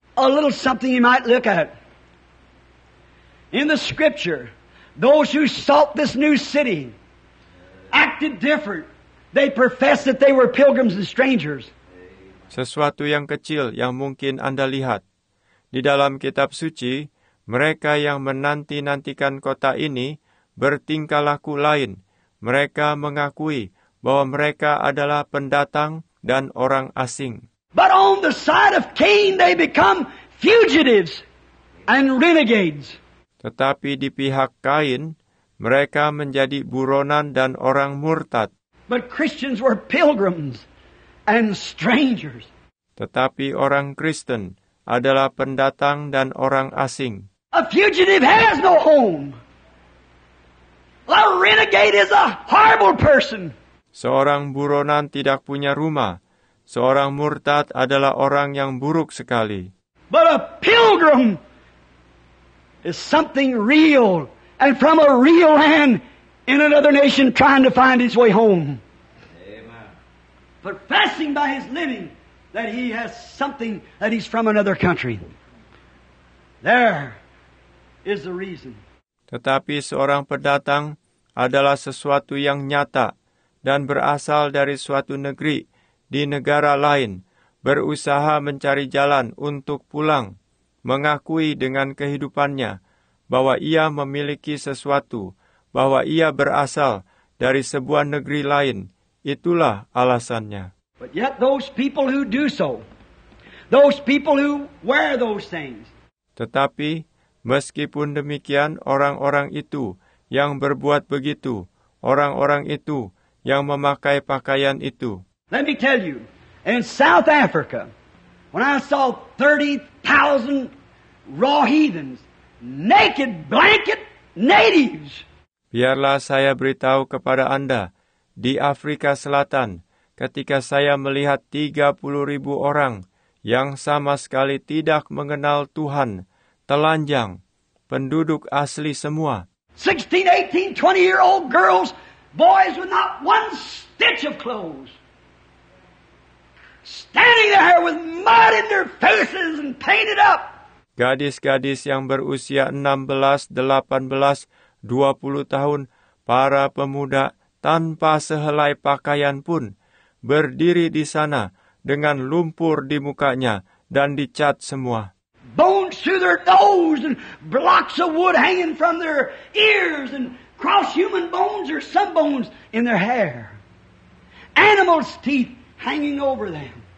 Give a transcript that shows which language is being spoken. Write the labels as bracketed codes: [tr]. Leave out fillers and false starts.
[en] A little something you might look at. In the scripture, those who sought this new city acted different. They professed that they were pilgrims and strangers. [id] Sesuatu yang kecil yang mungkin Anda lihat. Di dalam kitab suci, mereka yang menanti-nantikan kota ini bertingkah laku lain. Mereka mengakui bahwa mereka adalah pendatang dan orang asing. [en] But on the side of Cain, they become fugitives and renegades. [id] Tetapi di pihak Kain, mereka menjadi buronan dan orang murtad. [en] But Christians were pilgrims and strangers. [id] Tetapi orang Kristen adalah pendatang dan orang asing. [en] A fugitive has no home. A renegade is a horrible person. [id] Seorang buronan tidak punya rumah. Seorang murtad adalah orang yang buruk sekali. [en] But a pilgrim is something real and from a real land in another nation trying to find his way home. Amen. Professing by his living that he has something, that he's from another country. There is the reason. [id] Tetapi seorang pendatang adalah sesuatu yang nyata dan berasal dari suatu negeri di negara lain, berusaha mencari jalan untuk pulang, mengakui dengan kehidupannya bahwa ia memiliki sesuatu, bahwa ia berasal dari sebuah negeri lain. Itulah alasannya. [en] But yet those people who do so, those people who wear those things. [id] Tetapi meskipun demikian, orang-orang itu yang berbuat begitu, orang-orang itu yang memakai pakaian itu. [en] Let me tell you, in South Africa, when I saw 30,000 raw heathens, naked blanket natives. [id] Biarlah saya beritahu kepada Anda, di Afrika Selatan, ketika saya melihat 30,000 orang yang sama sekali tidak mengenal Tuhan, telanjang, penduduk asli semua. [en] 16, 18, 20-year-old girls, boys with not one stitch of clothes. Standing there with mud in their faces and painted up. [id] Gadis-gadis yang berusia 16, 18, 20 tahun, para pemuda tanpa sehelai pakaian pun berdiri di sana dengan lumpur di mukanya dan dicat semua. [en] Bones through their nose and blocks of wood hanging from their ears and cross human bones or some bones in their hair. Animals' teeth hanging over them.